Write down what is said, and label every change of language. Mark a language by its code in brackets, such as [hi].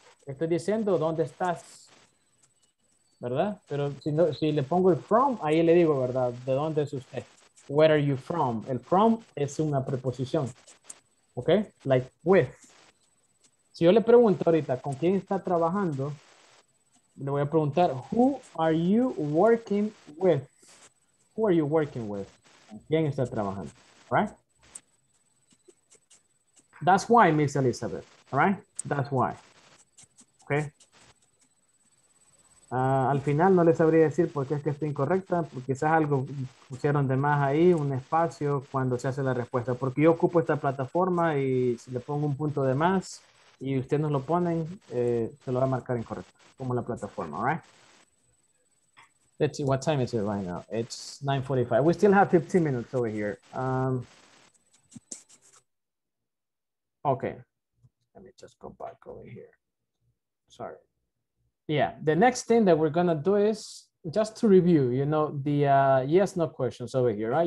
[es] Estoy diciendo, ¿dónde estás? ¿Verdad? Pero si, no, si le pongo el from, ahí le digo, ¿verdad? ¿De dónde es usted? [en] Where are you from? [es] El from es una preposición. ¿Ok? [en] Like with. [es] Si yo le pregunto ahorita, ¿con quién está trabajando? Le voy a preguntar, [en] who are you working with? Who are you working with? [es] ¿Con quién está trabajando? [en] ¿Right? That's why, Miss Elizabeth. ¿Right? That's why. ¿Ok? [es] Al final no les sabría decir por qué es que está incorrecta, porque quizás algo pusieron de más ahí, un espacio cuando se hace la respuesta, porque yo ocupo esta plataforma y si le pongo un punto de más y ustedes nos lo ponen, se lo va a marcar incorrecto como la plataforma, [en] right? Let's see, what time is it right now? It's 9:45. We still have 15 minutes over here. Okay, let me just go back over here. Sorry. Yeah, the next thing that we're going to do is just to review, you know, the yes, no questions over here, right?